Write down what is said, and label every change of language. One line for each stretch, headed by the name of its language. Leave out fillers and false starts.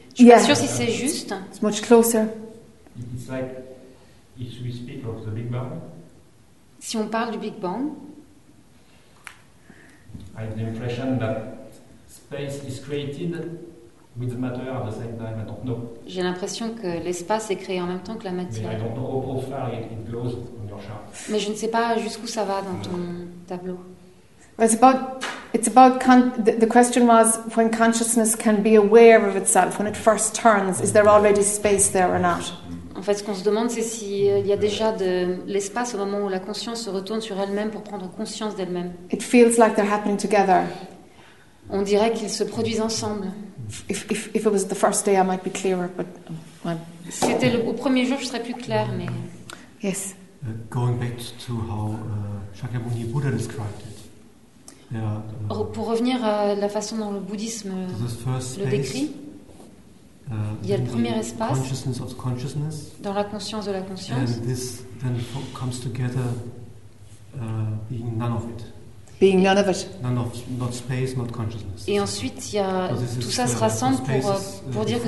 English: It's much closer. It's like if we speak of the Big Bang.
French: Si on parle du Big Bang.
English: I have the impression that space is created with the matter at the same time. I don't know.
French: J'ai l'impression que l'espace est créé en même temps que la matière.
English: But I don't know how far it goes on your chart.
French: Mais je ne sais pas jusqu'où ça va dans ton tableau.
English: The question was when consciousness can be aware of itself when it first turns. Is there already space there or not?
French: En fait, ce qu'on se demande, c'est si il y a déjà de l'espace au moment où la conscience se retourne sur elle-même pour prendre conscience d'elle-même.
English: It feels like they're happening together.
French: On dirait qu'ils se produisent ensemble.
English: If it was the first day, I might be clearer, but
French: si c'était au premier jour, je serais plus claire, mais.
English: Yes. Going back to how Shakyamuni Buddha described it.
French: Pour revenir à la façon dont le bouddhisme le décrit, il y a le premier espace
English: consciousness of consciousness,
French: dans la conscience de la conscience.
English: And this then comes together, being none of it. Being none of it. None of, not space, not consciousness.
French: Et ensuite, il y a tout ça se rassemble pour dire que